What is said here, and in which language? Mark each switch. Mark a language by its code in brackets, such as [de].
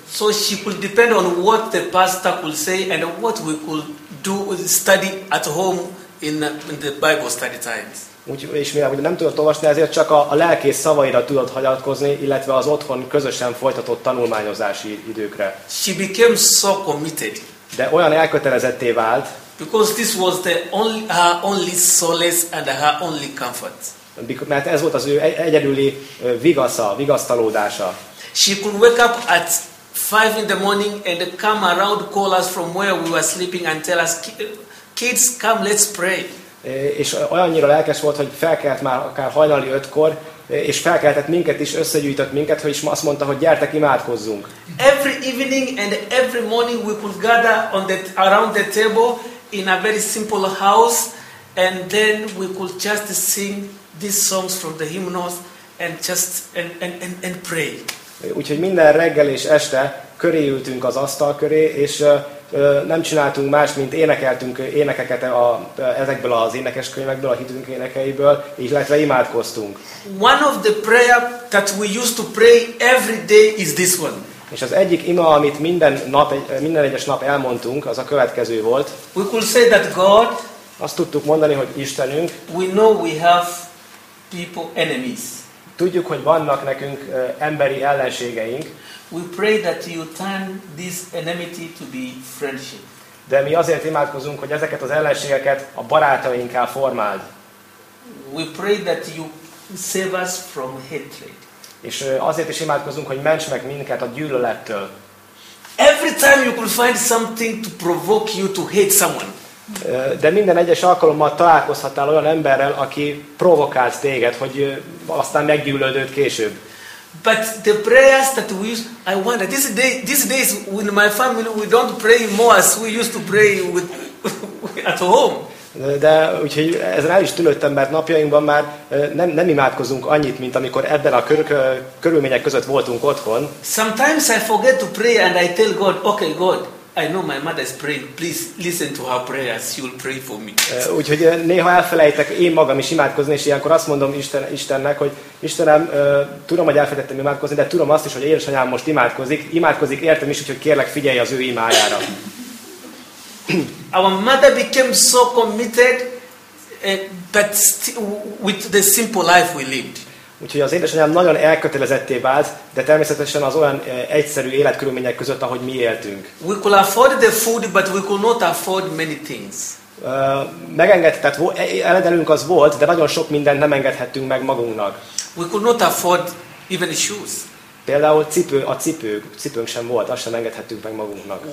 [en] So she could depend on what the pastor could say and what we could do study at home in the Bible study times. [hu] És mivel nem tudott olvasni, ezért csak a lelkész szavaira tudott hagyatkozni, illetve az otthon közösen folytatott tanulmányozási időkre. [en] She became so committed. [hu] De olyan elkötelezetté vált. [en] Because this was the only, her only solace and her only comfort. [hu] Mert ez volt az ő egyedüli vigasztalódása. [en] She could wake up at 5 in the morning and come around, call us from where we were sleeping and tell us, kids, come, let's pray. [hu] És olyannyira lelkes volt, hogy felkelt már akár hajnali 5-kor, és felkeltett minket is, összegyűjtött minket, hogy is azt mondta, hogy gyertek, imádkozzunk. [en] Every evening and every morning we could gather on the around the table in a very simple house, and then we could just sing these songs from the hymnals and just and pray. [hu] Úgyhogy minden reggel és este köré ültünk az asztal köré, és nem csináltunk más, mint énekeltünk énekeket ezekből az énekeskönyvekből, a hitünk énekeiből, illetve imádkoztunk. [en] One of the prayer that we used to pray every day is this one. [hu] És az egyik ima, amit minden egyes nap elmondtunk, az a következő volt. [en] We could say that God. [hu] Azt tudtuk mondani, hogy Istenünk. [en] We know we have people enemies. [hu] Tudjuk, hogy vannak nekünk emberi ellenségeink. [en] We pray that you turn this enmity to be friendship. [hu] De mi azért imádkozunk, hogy ezeket az ellenségeket a barátainkká formáld. [en] We pray that you save us from hatred. [hu] És azért is imádkozunk, hogy ments meg minket a gyűlölettől. [en] Every time you could find something to provoke you to hate someone. [hu] De minden egyes alkalommal találkozhatál olyan emberrel, aki provokál téged, hogy aztán meggyűlöd őt később. [en] But the prayers that we use, I wonder, these days in my family we don't pray more as we used to pray with, at home. [hu] De úgyhogy ezen el is tűnődtem, mert napjainkban már nem imádkozunk annyit, mint amikor ebben a körülmények között voltunk otthon. [en] Sometimes I forget to pray and I tell God, okay God, I know my mother is praying, please listen to her prayers, you'll pray for me. [hu] Úgyhogy néha elfelejtek én magam is imádkozni, és ilyenkor azt mondom Istennek, hogy Istenem, tudom, hogy elfelejtettem imádkozni, de tudom azt is, hogy édesanyám most imádkozik értem is, úgyhogy kérlek, figyelj az ő imájára. [en] Our mother became so committed, but with the simple life we lived. [hu] Úgyhogy az édesanyám nagyon elkötelezetté vált, de természetesen az olyan egyszerű életkörülmények között, ahogy mi éltünk. [en] We could afford the food, but we could not afford many things. [hu] Megengedhetett, eledelünk az volt, de nagyon sok mindent nem engedhettünk meg magunknak. [en] We could not afford even shoes. [hu] Például a cipőnk sem volt, azt sem engedhettünk meg magunknak.